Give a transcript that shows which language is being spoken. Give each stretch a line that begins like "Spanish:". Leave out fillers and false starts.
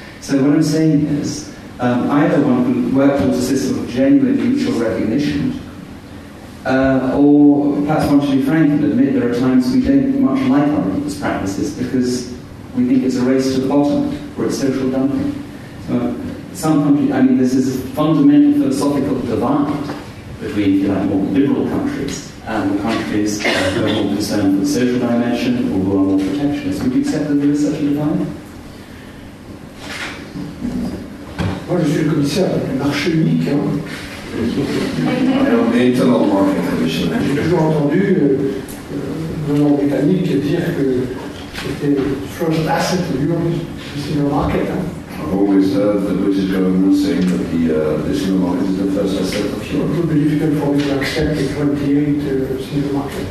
English: So what I'm saying is, either one can work towards a system of genuine mutual recognition, or perhaps one should be frank and admit there are times we don't much like our people's practices because we think it's a race to the bottom or it's social dumping. This is a fundamental philosophical divide between more liberal countries and the countries who are more concerned with the social dimension or who are more protectionist. Would you accept that there is such a divide?
French: Moi, je suis le commissaire du marché unique. Hein. J'ai toujours entendu le nom britannique dire que c'était
English: first asset of Europe,
French: le single market. Hein.
English: I've always heard the British government saying that the single market is the first asset of Europe. It would be difficult for me to accept the 28 single market.